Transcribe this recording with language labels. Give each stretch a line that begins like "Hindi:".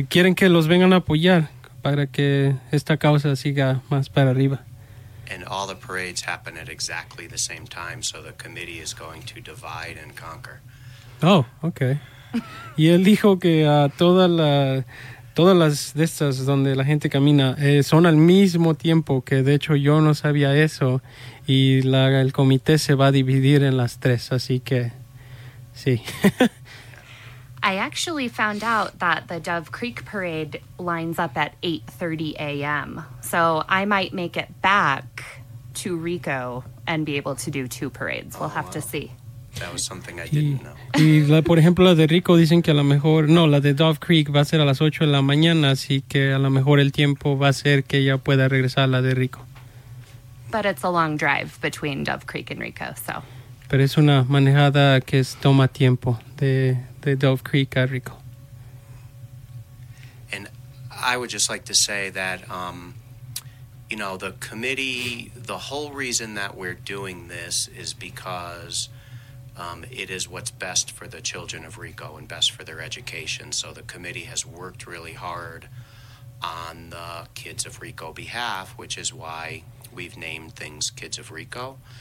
Spanish: Y quieren que los vengan a apoyar para que esta causa siga más para arriba.
English: And all the parades happen at exactly the same time, so the committee is going to divide and conquer. Oh, okay.
Spanish: Y él dijo que todas las de estas donde la gente camina son al mismo tiempo, que de hecho yo no sabía eso, y el comité se va a dividir en las tres, así que sí.
English: I actually found out that the Dove Creek Parade lines up at 8:30 a.m., so I might make it back to Rico and be able to do two parades. We'll have to see. That was something I didn't know.
Spanish: Y la, por ejemplo, la de Rico dicen que a lo mejor, no, la de Dove Creek va a ser a las 8 de la mañana, así que a lo mejor el tiempo va a ser que ella pueda regresar a la de Rico.
English: But it's a long drive between Dove Creek and Rico, so.
Spanish: Pero es una manejada que es, toma tiempo de Dove Creek a Rico.
English: And I would just like to say that, you know, the committee, the whole reason that we're doing this is because it is what's best for the children of Rico and best for their education. So the committee has worked really hard on the kids of Rico behalf, which is why we've named things Kids of Rico.